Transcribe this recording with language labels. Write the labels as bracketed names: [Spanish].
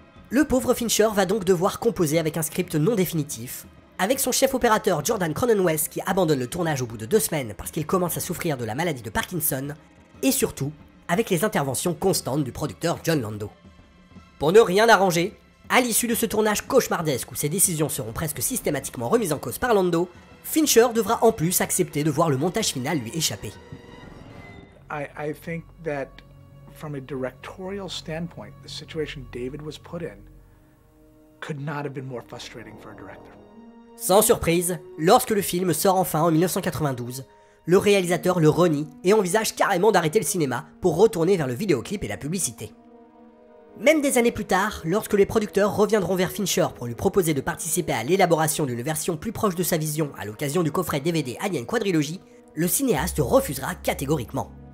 [French] Le pauvre Fincher va donc devoir composer avec un script non définitif, avec son chef opérateur Jordan Cronenweth qui abandonne le tournage au bout de 2 semaines parce qu'il commence à souffrir de la maladie de Parkinson, et surtout, avec les interventions constantes du producteur John Landau. Pour ne rien arranger, à l'issue de ce tournage cauchemardesque où ses décisions seront presque systématiquement remises en cause par Landau, Fincher devra en plus accepter de voir le montage final lui échapper. [English] I think that from a directorial standpoint, the situation David was put in could not have been more frustrating for a director. [French] Sans surprise, lorsque le film sort enfin en 1992, le réalisateur le renie et envisage carrément d'arrêter le cinéma pour retourner vers le vidéoclip et la publicité. Même des années plus tard, lorsque les producteurs reviendront vers Fincher pour lui proposer de participer à l'élaboration d'une version plus proche de sa vision à l'occasion du coffret DVD Alien Quadrilogy, le cinéaste refusera catégoriquement.